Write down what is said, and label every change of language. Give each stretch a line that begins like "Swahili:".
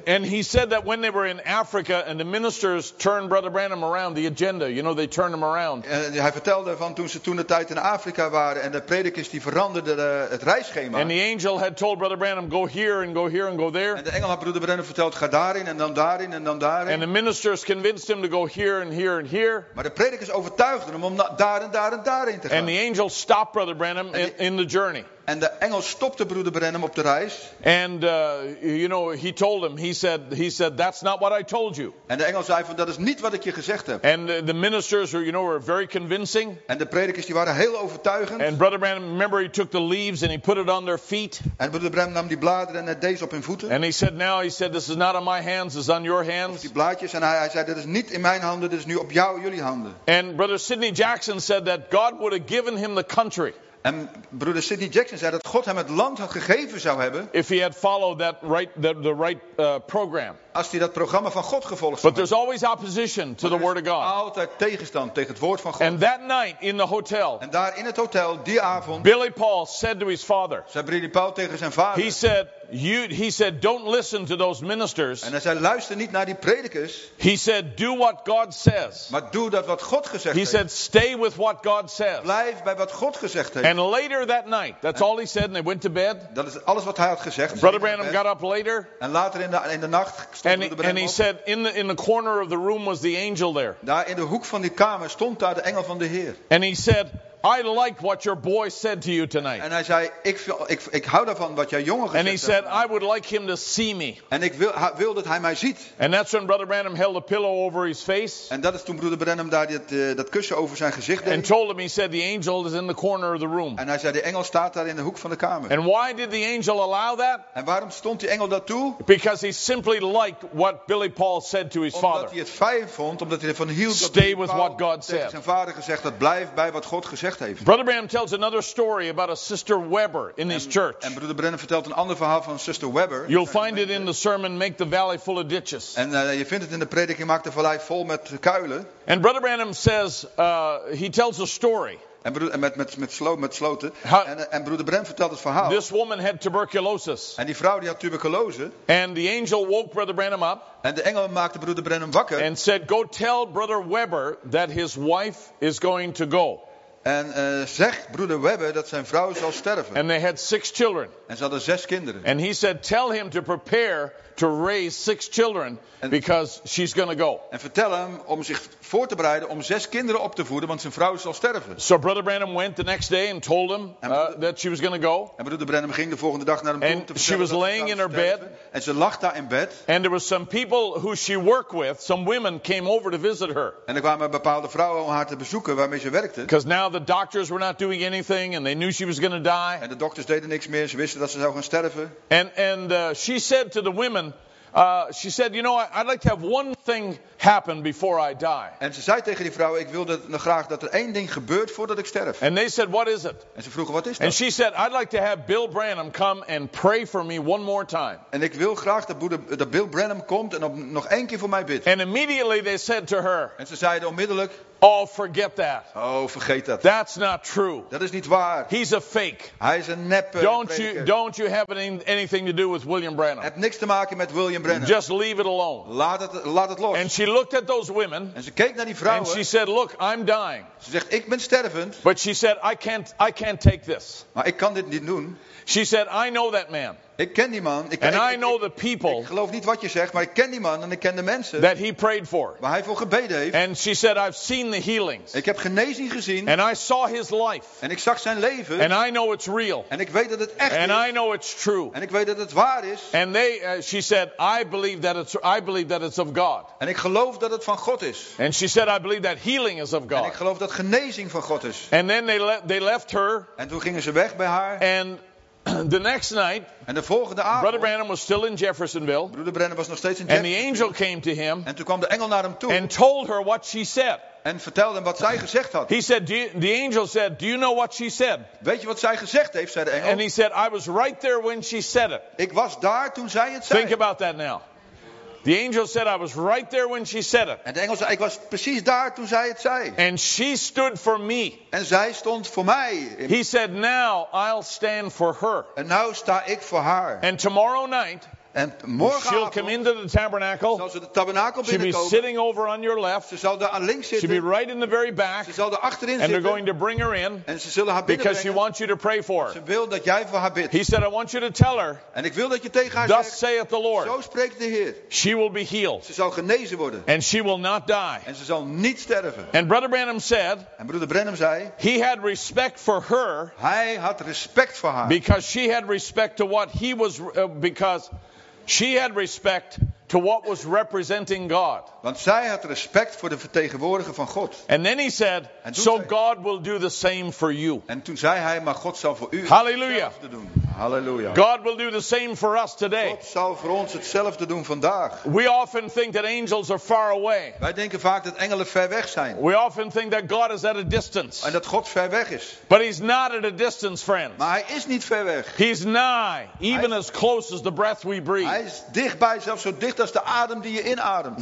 English: And he said that when they were in Africa and the ministers turned brother Branham around the agenda, you know, they turned him around.
Dutch: En hij vertelde van toen ze toen de tijd in Afrika waren en de predikers die veranderden het reisschema.
English: And the angel had told brother Branham go here and go here and go there.
Dutch: En de engel had broeder Branham verteld ga daarin en dan daarin en dan daarin.
English: And the ministers convinced him to go here and here and here.
Dutch: Maar de predikers overtuigden hem om daar en daar en daarin te gaan.
English: And the angel stopped Brother Branham in the journey.
Dutch: En de engel stopte broeder Branham op de reis.
English: And you know, he told him, he said, that's not what I told you.
Dutch: En de engel zei van dat is niet wat ik je gezegd heb.
English: And the ministers were, you know, were very convincing.
Dutch: En de predikers die waren heel overtuigend.
English: And brother Branham, remember, he took the leaves and he put it on their feet.
Dutch: En broeder Branham nam die bladeren en deze op hun voeten.
English: And he said, this is not on my hands, it's on your hands.
Dutch: Of die blaadjes en hij zei, dit is niet in mijn handen, dit is nu op jou, jullie handen.
English: And brother Sidney Jackson said that God would have given him the country.
Dutch: En broeder Sidney Jackson zei dat God hem het land had gegeven zou hebben.
English: If he had followed that right, the right program.
Dutch: Als hij dat programma van God gevolgd had.
English: But there's always opposition to the word of God.
Dutch: Altijd tegenstand tegen het woord van God.
English: And that night in the hotel.
Dutch: En daar in het hotel die avond.
English: Billy Paul said to his father.
Dutch: Zei Billy Paul tegen zijn vader.
English: He said, don't listen to those ministers.
Dutch: En hij zei, luister niet naar die predikers.
English: He said, do what God says.
Dutch: Maar doe dat wat God gezegd heeft.
English: He said, stay with what God says.
Dutch: Blijf bij wat God gezegd heeft.
English: And later that night, that's all he said, and they went to bed.
Dutch: Dat is alles wat hij had gezegd.
English: Brother Branham got up later.
Dutch: En later in de nacht stond Brother Branham.
English: And he said, in the corner of the room was the angel there.
Dutch: Daar in de hoek van die kamer stond daar de engel van de Heer.
English: And he said, I like what your boy said to you tonight.
Dutch: En hij zei, ik hou daarvan wat jij jongen gezegd hebt.
English: And he said, I would like him to see me.
Dutch: En ik wil dat hij mij ziet.
English: And that's when Brother Branham held a pillow over his face.
Dutch: En dat is toen Broeder Branham daar dat kussen over zijn gezicht deed.
English: And told him, he said, the angel is in the corner of the room.
Dutch: En hij zei, de engel staat daar in de hoek van de kamer.
English: And why did the angel allow that?
Dutch: En waarom stond die engel dat toe?
English: Because he simply liked what Billy Paul said to his father.
Dutch: Omdat hij het fijn vond, omdat hij ervan hield dat
English: Stay with what God said.
Dutch: Zijn vader gezegd dat blijf bij wat God gezegd.
English: Brother Branham tells another story about a Sister Weber in his church.
Dutch: En Broeder Branham vertelt een ander verhaal van Sister Weber.
English: You'll find it in the sermon "Make the Valley Full of Ditches."
Dutch: En je vindt het in de prediking "Maak de vallei vol met kuilen."
English: And Brother Branham says he tells a story.
Dutch: En met sloten.
English: How,
Dutch: en Broeder Branham vertelt het verhaal.
English: This woman had tuberculosis.
Dutch: En die vrouw die had tuberculose.
English: And the angel woke Brother Branham up.
Dutch: En de engel maakte Broeder Branham wakker.
English: And said, "Go tell Brother Weber that his wife is going to go."
Dutch: En zegt broeder Weber dat zijn vrouw zal sterven.
English: And they had six children.
Dutch: En ze hadden zes kinderen.
English: And he said, tell him to prepare to raise six children because she's going to go.
Dutch: En vertel hem om zich voor te bereiden om zes kinderen op te voeden, want zijn vrouw zal sterven.
English: So Brother Branham went the next day and told him that she was going to go.
Dutch: En broeder Branham ging de volgende dag naar hem toe om te vertellen.
English: And she was laying in her bed.
Dutch: En ze lag daar in bed.
English: And there were some people who she worked with, some women came over to visit her.
Dutch: En er kwamen bepaalde vrouwen om haar te bezoeken waarmee ze werkte.
English: Because now the doctors were not doing anything and they knew she was going to die.
Dutch: En de dokters deden niks meer, ze wisten dat ze zou gaan sterven.
English: And she said to the women, she said, you know, I'd like to have one thing happen before I die.
Dutch: En ze zei tegen die vrouw, ik wilde graag dat er één ding gebeurt voordat ik sterf.
English: And they said, what is it?
Dutch: En ze vroegen, wat is dat?
English: And she said, I'd like to have Bill Branham come and pray for me one more time.
Dutch: En ik wil graag dat Bill Branham komt en nog één keer voor mij bidt.
English: And immediately they said to her.
Dutch: En ze zeiden onmiddellijk.
English: Oh, forget that.
Dutch: Oh, vergeet dat.
English: That's not true.
Dutch: Dat is niet waar.
English: He's a fake.
Dutch: Hij is een neppe.
English: Don't you have anything to do with William Branham?
Dutch: Heb niks te maken met William Branham.
English: Just leave it alone.
Dutch: Laat het los.
English: And she looked at those women.
Dutch: En ze keek naar die vrouwen.
English: And she said, "Look, I'm dying."
Dutch: Ze zegt, ik ben stervend.
English: But she said, "I can't take this."
Dutch: Maar ik kan dit niet doen.
English: She said, "I know that man."
Dutch: Ik ken die man.
English: I know the people.
Dutch: Ik geloof niet wat je zegt, maar ik ken die man en ik ken de mensen.
English: That he prayed for.
Dutch: Waar hij voor gebeden heeft.
English: And she said, "I've seen the healings."
Dutch: Ik heb genezing gezien.
English: And I saw his life.
Dutch: En ik zag zijn leven.
English: And I know it's real.
Dutch: En ik weet dat het echt is.
English: And I know it's true.
Dutch: En ik weet dat het waar is.
English: And they, she said, I believe that it's of God.
Dutch: En ik geloof dat het van God is.
English: And she said, "I believe that healing is of God."
Dutch: En ik geloof dat genezing van God is.
English: And then they left her.
Dutch: En toen gingen ze weg bij haar.
English: And the next night,
Dutch: en de volgende avond,
English: Brother Branham was still in Jeffersonville.
Dutch: Broeder Branham was nog steeds in
English: Jeffersonville. And the angel came to him.
Dutch: En toen kwam de engel naar hem toe.
English: And told her what she said.
Dutch: En vertelde hem wat zij gezegd had.
English: He said, the angel said, "Do you know what she said?"
Dutch: Weet je wat zij gezegd heeft, zei de engel.
English: And he said, "I was right there when she said it."
Dutch: Ik was daar toen zij het zei.
English: Think about that now. The angel said, "I was right there when she said it."
Dutch: En de engel zei, ik was precies daar toen zij het zei.
English: And she stood for me.
Dutch: En zij stond voor mij.
English: He said, "Now I'll stand for her."
Dutch: En nou sta ik voor haar.
English: And tomorrow night,
Dutch: and morgenavond,
English: she'll come into the tabernacle.
Dutch: Zal ze de tabernakel binnenkomen.
English: She'll be sitting over on your left.
Dutch: Ze zal daar aan links zitten.
English: She'll be right in the very back.
Dutch: Ze zal daar achterin zitten.
English: And they're going to bring her in.
Dutch: En ze zullen haar binnenbrengen.
English: Because she wants you to pray for her.
Dutch: Ze wil dat jij voor haar bidt.
English: He said, "I want you to tell her."
Dutch: En ik wil dat je tegen haar
English: Thus
Dutch: zegt.
English: Thus saith the Lord.
Dutch: Zo spreekt de Heer.
English: She will be healed.
Dutch: Ze zal genezen worden.
English: And she will not die.
Dutch: En ze zal niet sterven.
English: And Brother Branham said.
Dutch: En broeder Branham zei.
English: He had respect for her.
Dutch: Hij had respect voor haar.
English: Because she had respect to what he was because. She had respect to what was representing God.
Dutch: Want zij had respect voor de vertegenwoordiger van God.
English: And then he said, "So God will do the same for you."
Dutch: En toen zei hij, maar God zal voor u hetzelfde doen.
English: Hallelujah. God will do the same for us today.
Dutch: God zal voor ons hetzelfde doen vandaag.
English: We often think that angels are far away.
Dutch: Wij denken vaak dat engelen ver weg zijn.
English: We often think that God is at a distance.
Dutch: En dat God ver weg is.
English: But he's not at a distance, friends.
Dutch: Maar hij is niet ver weg.
English: He's nigh, even as close as the breath we breathe.
Dutch: Hij is dichtbij, zelfs zo dicht als de adem die je inademt.